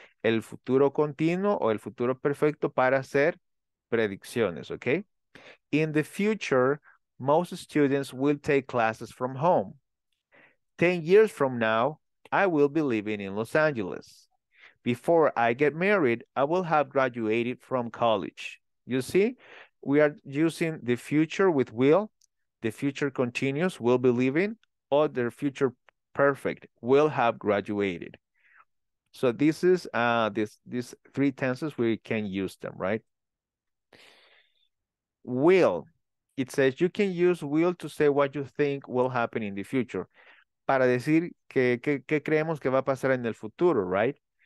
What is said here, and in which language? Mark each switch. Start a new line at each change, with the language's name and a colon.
Spanish: El futuro continuo o el futuro perfecto para hacer predicciones, okay?
English: In the future, most students will take classes from home. 10 years from now, I will be living in Los Angeles. Before I get married, I will have graduated from college. You see, we are using the future with will. The future continuous will be living. Or their future perfect will have graduated. So this is these three tenses, we can use them, right? Will, it says you can use will to say what you think will happen in the future.
Spanish: Para decir que creemos que va a pasar en el futuro, right?